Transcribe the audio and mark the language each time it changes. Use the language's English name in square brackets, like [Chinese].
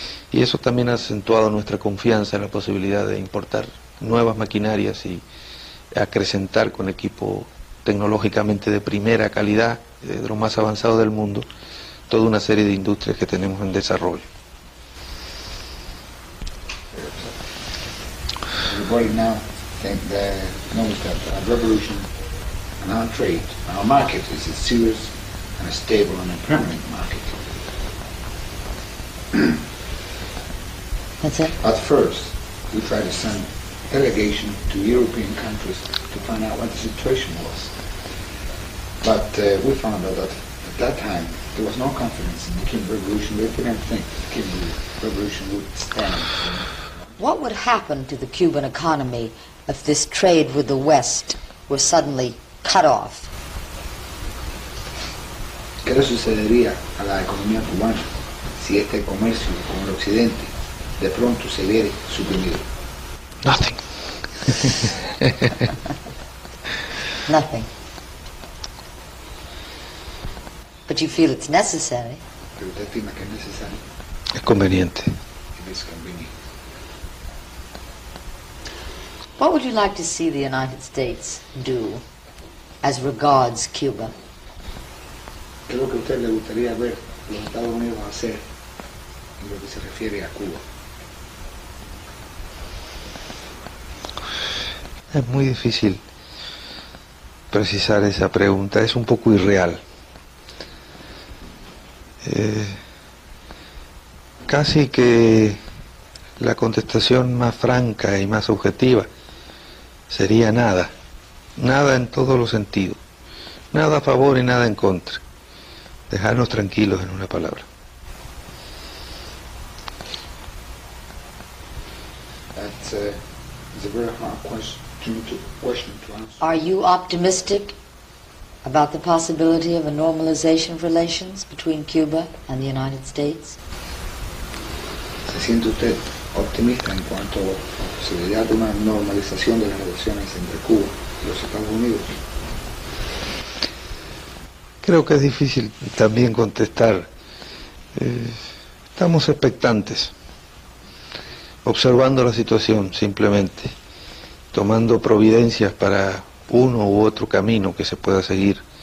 [Spanish] Y eso también ha acentuado nuestra confianza en la posibilidad de importar nuevas maquinarias y acrecentar con equipo tecnológicamente de primera calidad, de lo más avanzado del mundo, toda una serie de industrias que tenemos en desarrollo. [English] Right now, the economic revolution and our trade, our market is a serious and a stable and a permanent market. That's it. At first, we tried to send delegation to European countries to find out what the situation was. But we found out that at that time, there was no confidence in the Cuban revolution. They didn't think the Cuban revolution would stand. What would happen to the Cuban economy if this trade with the West were suddenly cut off? [Spanish] ¿Qué le sucedería a la economía cubana si este comercio con el Occidente de pronto se viera suprimido? [English] Nothing. Nothing. But you feel it's necessary. [Spanish] ¿Pero usted estima que es necesario? Es conveniente. [English] What would you like to see the United States do as regards Cuba? [Spanish] ¿Qué es lo que usted le gustaría ver los Estados Unidos hacer en lo que se refiere a Cuba? Es muy difícil precisar esa pregunta, es un poco irreal. Casi que la contestación más franca y más objetiva sería nada, nada en todos los sentidos, nada a favor y nada en contra. Dejarnos tranquilos en una palabra. [English] That's a very hard question to answer. Are you optimistic about the possibility of a normalization of relations between Cuba and the United States? [Spanish] ¿Se siente usted optimista en cuanto a la posibilidad de una normalización de las relaciones entre Cuba y los Estados Unidos? Creo que es difícil también contestar. Estamos expectantes, observando la situación simplemente, tomando providencias para uno u otro camino que se pueda seguir.